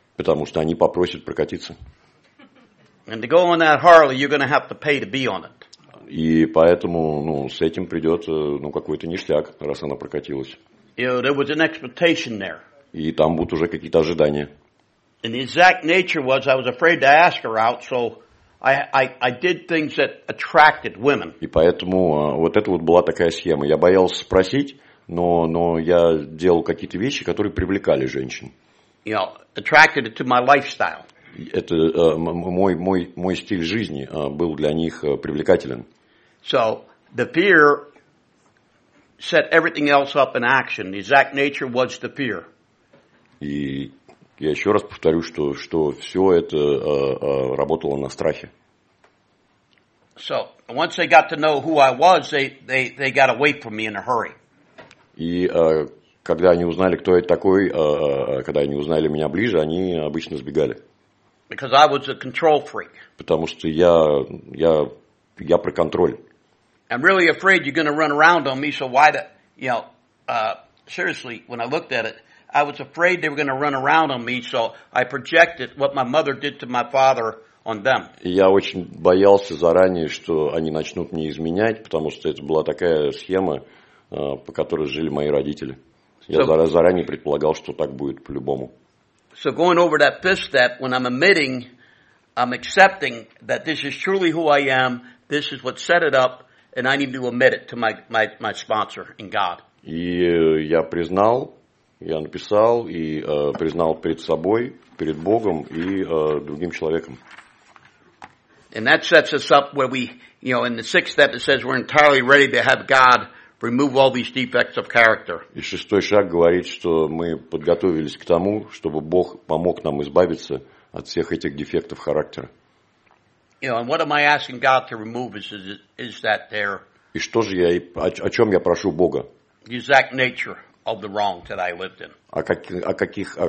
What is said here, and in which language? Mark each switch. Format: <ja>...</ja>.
<ru>Потому что они попросят прокатиться.</ru> <en>And to go on that Harley, you're going to have to pay to be on it.</en> <ru>И поэтому, ну, с этим придет, ну, какой-то ништяк, раз она прокатилась.</ru> <en>You know, there was an expectation there.</en> <ru>И там будут уже какие-то ожидания.</ru> <en>And the exact nature was, I was afraid to ask her out, so I did things that attracted women.</en> <ru>И поэтому вот это вот была такая схема. Я боялся спросить, но я делал какие-то вещи, которые привлекали женщин.</ru> <en>You know, attracted it to my lifestyle.</en> <ru>это мой стиль жизни был для них привлекателен.</ru> <en>So the fear set everything else up in action. The exact nature was the fear.</en> <ru>И я еще раз повторю, что все это работало на страхе.</ru> <en>So once they got to know who I was, they got away from me in a hurry.</en> <ru>И когда они узнали, кто я такой, когда они узнали меня ближе, они обычно сбегали.</ru> <en>Because I was a control freak.</en> <ru>Потому что я про контроль.</ru> <en>I'm really afraid you're going to run around on me, so why the, you know, seriously, when I looked at it, I was afraid they were going to run around on me, so I projected what my mother did to my father on them.</en> <ru>Я очень боялся заранее, что они начнут мне изменять, потому что это была такая схема, по которой жили мои родители. Я заранее предполагал, что так будет по-любому.</ru> <en>So going over that fifth step, when I'm admitting, I'm accepting that this is truly who I am, this is what set it up, and I need to admit it to my sponsor in God.</en> <ru>И я признал, я написал и признал перед собой, перед Богом и другим человеком.</ru> <en>And that sets us up where we, you know, in the sixth step it says we're entirely ready to have God remove all these defects of character.</en> <ru>И шестой шаг говорит, что мы подготовились к тому, чтобы Бог помог нам избавиться от всех этих дефектов характера.</ru> <en>You know, and what am I asking God to remove is that there?</en> <ru>И что же я, о чем я прошу Бога?</ru> <en>The exact nature of the wrong that I lived in.</en>